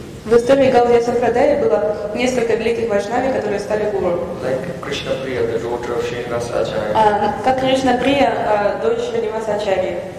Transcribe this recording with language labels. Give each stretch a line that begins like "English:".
Russian: В истории Гаудия Сампрадая было несколько великих вайшнави, которые стали гуру.
English: Like Krishna Priya, the daughter of Srinivasa Acharya.
Russian: Как Кришна Прия, дочь Шринаваса Ачарьи.